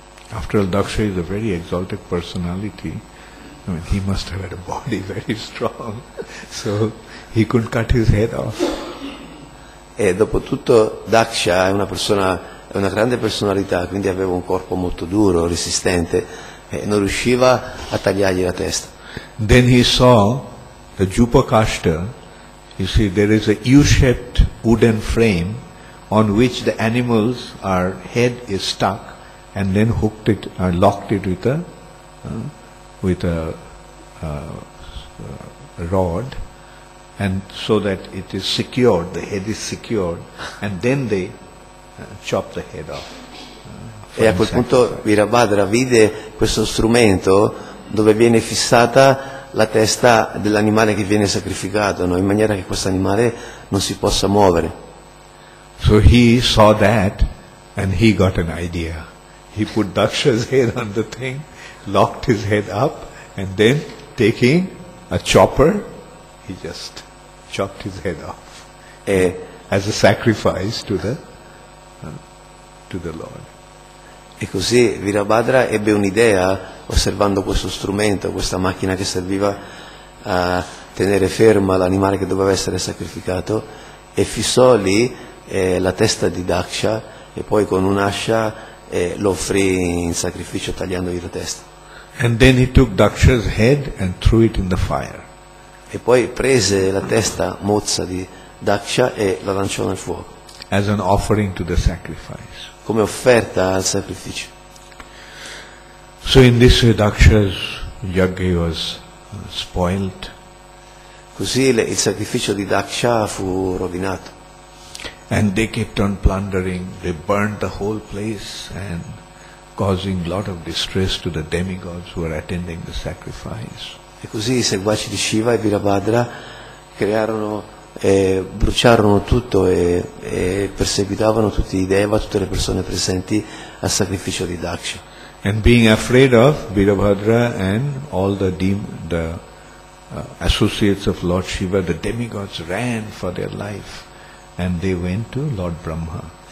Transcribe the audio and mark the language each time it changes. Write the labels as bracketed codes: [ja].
[en] After all, Daksha is a very exalted personality. I mean, he must have had a body very strong, so he couldn't cut his head off. [it] E dopo tutto, Daksha è una persona, è una grande personalità, quindi aveva un corpo molto duro, resistente, e non riusciva a tagliargli la testa. [en] Then he saw the Jupakashta. You see, there is a U-shaped wooden frame on which the animal's head is stuck, and then hooked it, locked it with a. With a rod, and so that it is secured, the head is secured, and then they chop the head off. [it] E a quel punto Virabhadra vide questo strumento dove viene fissata la testa dell'animale che viene sacrificato, no? In maniera che questo animale non si possa muovere. [en] So he saw that, and he got an idea. He put Daksha's head on the thing, locked his head up, and then taking a chopper, he just chopped his head off as a sacrifice to the Lord. [it] E così Virabhadra ebbe un'idea osservando questo strumento, questa macchina che serviva a tenere ferma l'animale che doveva essere sacrificato, e fissò lì la testa di Daksha, e poi con un'ascia lo offrì in sacrificio tagliandogli la testa. [en] And then he took Daksha's head and threw it in the fire. [it] E poi prese la testa mozza di Daksha e la lanciò nel fuoco. [en] As an offering to the sacrifice. [it] Come offerta al sacrificio. [en] So in this way Daksha's yagya was spoiled. [it] Così il sacrificio di Daksha fu rovinato. [en] And they kept on plundering. They burned the whole place and causing a lot of distress to the demigods who were attending the sacrifice. [it] E così i seguaci di Shiva e Virabhadra crearono e bruciarono tutto e perseguitavano tutti i deva, tutte le persone presenti al sacrificio di Daksha. [en] And being afraid of Virabhadra and all the associates of Lord Shiva, the demigods ran for their life and they went to Lord Brahma.